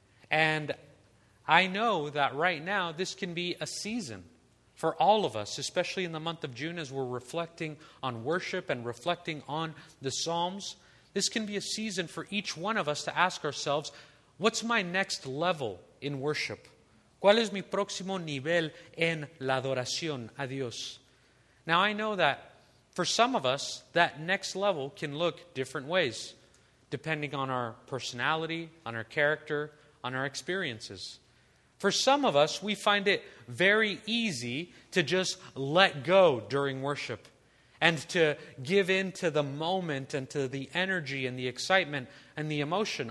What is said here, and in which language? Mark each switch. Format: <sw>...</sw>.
<en>And I know that right now, this can be a season for all of us, especially in the month of June as we're reflecting on worship and reflecting on the Psalms. This can be a season for each one of us to ask ourselves, what's my next level in worship?</en> <es>¿Cuál es mi próximo nivel en la adoración a Dios?</es> <en>Now I know that for some of us, that next level can look different ways, depending on our personality, on our character, on our experiences. For some of us, we find it very easy to just let go during worship and to give in to the moment and to the energy and the excitement and the emotion.</en>